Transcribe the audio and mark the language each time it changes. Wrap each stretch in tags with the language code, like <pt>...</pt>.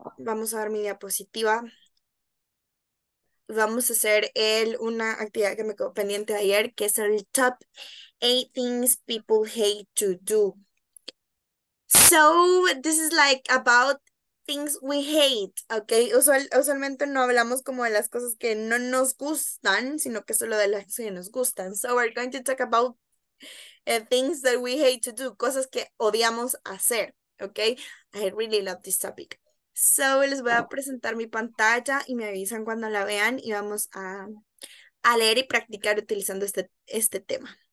<es>Vamos a ver mi diapositiva. Vamos a hacer una actividad que me quedó pendiente de ayer, que es el top 8 things people hate to do.</es> <en>So, this is like about things we hate, okay?</en> <es>Usualmente no hablamos como de las cosas que no nos gustan, sino que solo de las que nos gustan.</es> <en>So, we're going to talk about things that we hate to do,</en> <es>cosas que odiamos hacer,</es> <en>okay? I really love this topic.</en> <es>So, les voy a presentar mi pantalla y me avisan cuando la vean y vamos a leer y practicar utilizando este tema.</es>